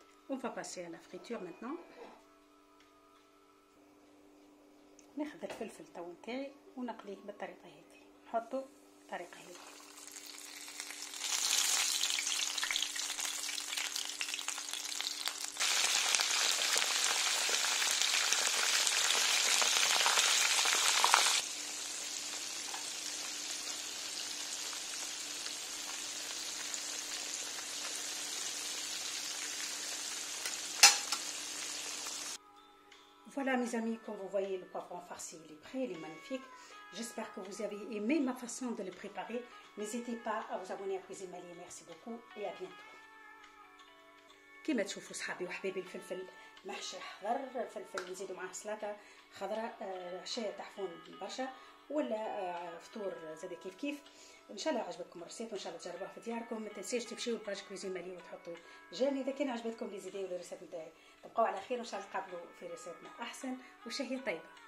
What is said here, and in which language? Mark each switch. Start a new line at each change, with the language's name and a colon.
French: On va passer à la friture maintenant.
Arabic: ناخذ الفلفل تاو نتاعي ونقليه بالطريقة هذه، نحطو بالطريقة هذه.
French: Voilà mes amis, comme vous voyez, le poivron farci il est prêt, il est magnifique. J'espère que vous avez aimé ma façon de le préparer. N'hésitez pas à vous abonner à Cuisine Malie. Merci beaucoup et à bientôt.
Arabic: كما تشوفوا صحابي وحبيبي الفلفل محشي حضر، الفلفل نزيدو معاه سلطة خضراء، عشاء تحفون برشا ولا فطور زاد كيف كيف. ان شاء الله عجبتكم الرسيط وان شاء الله تجربوها في دياركم. ما تنسيش تمشيو لباج كويزين مالي وتحطوا جيم اذا كان عجبتكم لي زيدي والرسيط نتاعي. تبقوا على خير وان شاء الله تقابلوا في رسيطنا احسن وشهية طيبة.